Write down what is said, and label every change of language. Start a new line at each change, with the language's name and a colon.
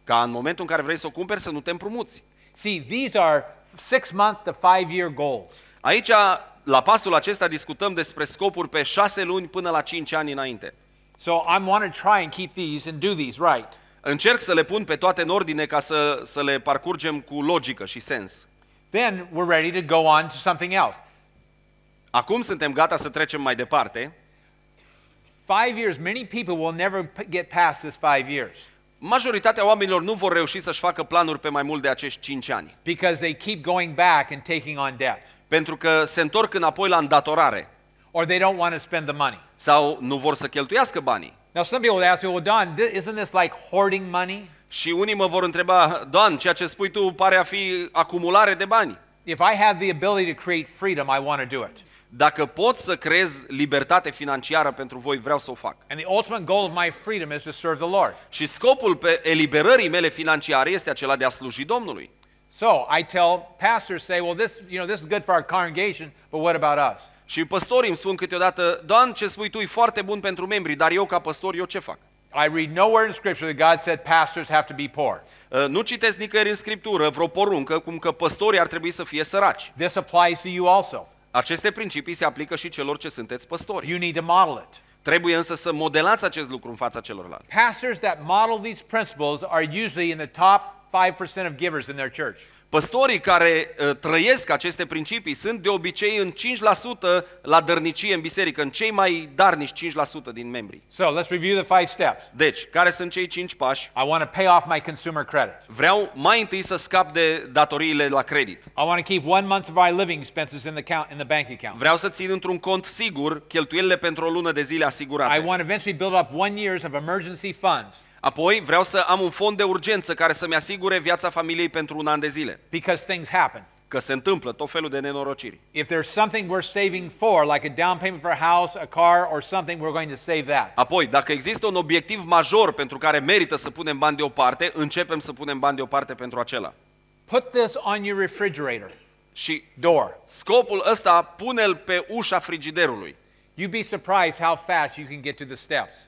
Romanian: Ca în momentul în care vrei să o cumperi să nu te împrumuți.
English: See, these are 6 month to 5 year goals.
Romanian: Aici, la pasul acesta, discutăm despre scopuri pe 6 luni până la 5 ani înainte.
English: So I want to try and keep these and do these right.
Romanian: Încerc să le pun pe toate în ordine ca să le parcurgem cu logică și sens.
English: Then we're ready to go on to something else.
Romanian: Acum suntem gata să trecem mai departe.
English: 5 years, many people will never get past this 5 years.
Romanian: Majoritatea oamenilor nu vor reuși să-și facă planuri pe mai mult de acești 5 ani.
English: Because they keep going back and taking on debt.
Romanian: Pentru că se întorc înapoi la îndatorare.
English: Or they don't want to spend the money.
Romanian: Sau nu vor să cheltuiască banii.
English: Now some people ask me, well, Don, isn't this like hoarding money?
Romanian: Și unii mă vor întreba, Don, ceea ce spui tu pare a fi acumulare de bani.
English: If I have the ability to create freedom, I want to do it.
Romanian: Dacă pot să creez libertate financiară pentru voi, vreau să o fac.
English: And the ultimate goal of my freedom is to serve the Lord.
Romanian: Și scopul pe eliberării mele financiare este acela de a sluji Domnului.
English: So, I tell pastors, say, well, this is good for our congregation, but what about us?
Romanian: Și pastorii îmi spun câteodată, Doamne, ce spui tu e foarte bun pentru membri, dar eu ca pastor, eu ce fac?
English: I read nowhere in scripture that God said pastors have to be poor.
Romanian: Nu citesc nicăieri în scriptură vreo poruncă cum că pastorii ar trebui să fie săraci.
English: This applies to you also.
Romanian: Aceste principii se aplică și celor ce sunteți păstori.
English: You need to model it.
Romanian: Trebuie însă să modelați acest lucru în fața celorlalți.
English: Pastors that model these principles are usually in the top 5% of givers in their church.
Romanian: Păstorii care trăiesc aceste principii sunt de obicei în 5% la dărnicie în biserică, în cei mai darnici 5% din membri.
English: So, let's review the 5 steps.
Romanian: Deci, care sunt cei 5 pași?
English: I want to pay off my consumer credit.
Romanian: Vreau mai întâi să scap de datoriile la credit.
English: I want to keep 1 month of my living expenses in the bank account.
Romanian: Vreau să țin într-un cont sigur cheltuielile pentru o lună de zile asigurate.
English: I want to eventually build up 1 year of emergency funds.
Romanian: Apoi, vreau să am un fond de urgență care să-mi asigure viața familiei pentru un an de zile.
English: Because things happen.
Romanian: Că se întâmplă tot felul de nenorociri.
English: If there's something we're saving for, like a down payment for a house, a car, or something, we're going to save that.
Romanian: Apoi, dacă există un obiectiv major pentru care merită să punem bani deoparte, începem să punem bani deoparte pentru acela.
English: Put this on your refrigerator.
Romanian: Și
English: door.
Romanian: Scopul ăsta, pune-l pe ușa frigiderului.
English: You'd be surprised how fast you can get to the steps.